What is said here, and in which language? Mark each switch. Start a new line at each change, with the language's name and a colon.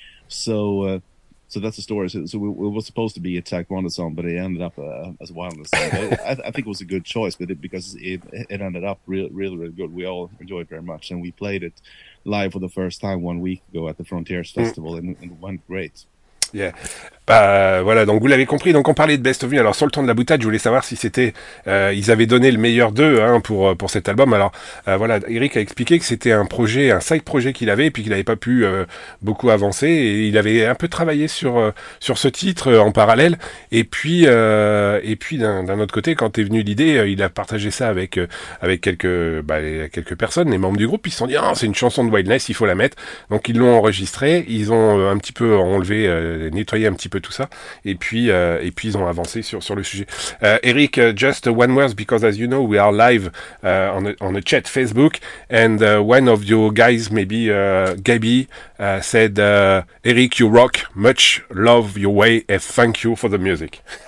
English: So that's the story. So it was supposed to be a Taekwondo song, but it ended up as a Wildness song. I think it was a good choice, because it ended up really, really, really good. We all enjoyed it very much, and we played it live for the first time 1 week ago at the Frontiers Festival, and it went great. Yeah.
French: Bah voilà, donc vous l'avez compris, donc on parlait de Best of Me. Alors sur le ton de la boutade, je voulais savoir si c'était ils avaient donné le meilleur d'eux hein pour cet album. Alors voilà, Eric a expliqué que c'était un side projet qu'il avait et puis qu'il n'avait pas pu beaucoup avancer, et il avait un peu travaillé sur ce titre en parallèle, et puis d'un autre côté, quand est venue l'idée, il a partagé ça avec quelques personnes, les membres du groupe, ils se sont dit c'est une chanson de Wildness, il faut la mettre. Donc ils l'ont enregistré, ils ont un petit peu enlevé, nettoyé un petit peu tout ça, et puis ils ont avancé sur le sujet.
English: Eric, just one word, because as you know, we are live on a chat Facebook, and one of your guys, maybe Gabby, said, Eric, you rock, much love your way, and thank you for the music.